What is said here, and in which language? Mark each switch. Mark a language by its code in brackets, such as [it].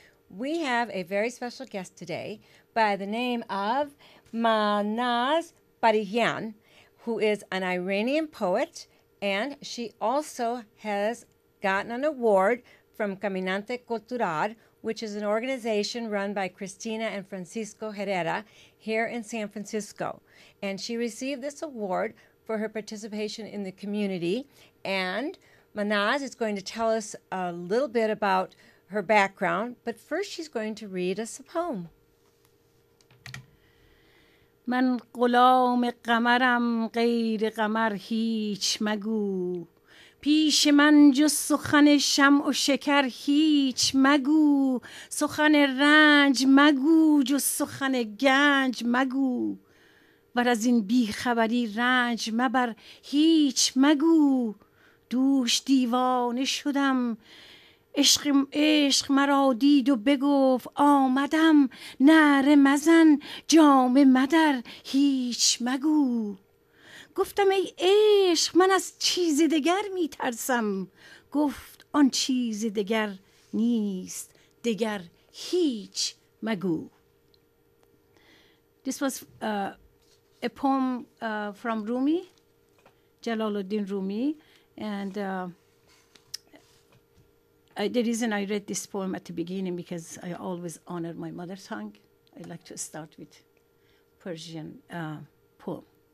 [en] We have a very special guest today by the name of Mahnaz Badihian, who is an Iranian poet, and she also has gotten an award from Caminante Cultural, which is an organization run by Christina and Francisco Herrera here in San Francisco. And she received this award for her participation in the community. And Mahnaz is going to tell us a little bit about her background, but first she's going to read us a poem. [fa] من غلام قمرم غیر قمر هیچ مگو پیش من جز سخن شمع و شکر هیچ مگو سخن رنج مگو جز سخن گنج مگو ور از این بی خبری رنج مبر هیچ مگو دوش دیوانه شدم عشق مرا دید و بگفت آمدم نعره مزن جام مدر هیچ مگو گفتم ای عشق من از چیز دگر می ترسم گفت آن چیز دگر نیست دگر هیچ مگو. [en] This was a poem from Rumi, Jalaluddin Rumi, and the reason I read this poem at the beginning because I always honor my mother tongue. I like to start with Persian poem.